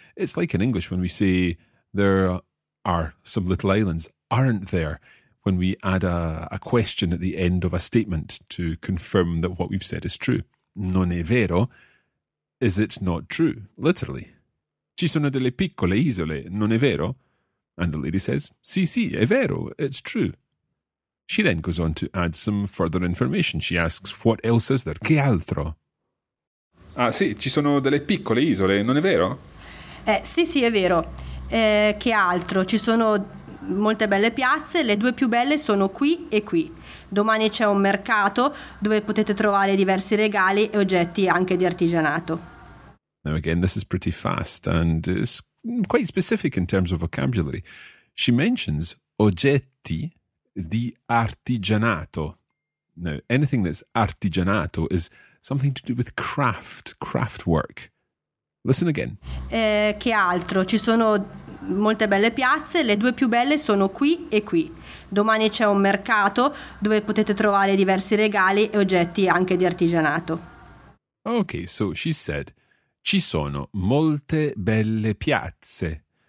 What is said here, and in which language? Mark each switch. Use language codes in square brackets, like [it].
[en] It's like in English when we say, there are some little islands, aren't there, when we add a question at the end of a statement to confirm that what we've said is true. [it] Non è vero? [en] Is it not true? Literally. [it] Ci sono delle piccole isole, non è vero? [en] And the lady says, [it] sì, sì, è vero, [en] it's true. She then goes on to add some further information. She asks, what else is there? [it] Che altro? Ah, sì, ci sono delle piccole isole, non è vero? Sì, sì, è vero. Che altro? Ci sono molte belle piazze, le due più belle sono qui e qui. Domani c'è un mercato dove potete trovare diversi regali e oggetti anche di artigianato. [en] Now again, this is pretty fast and it's quite specific in terms of vocabulary. She mentions [it] oggetti di artigianato. [en] Now, anything that's artigianato is something to do with craft work. Listen again. [it] Che altro? Ci sono molte belle piazze, le due più belle sono qui e qui. Domani c'è un mercato dove potete trovare diversi regali e oggetti anche di artigianato. [en] Okay, so she said, [it] ci sono molte belle piazze.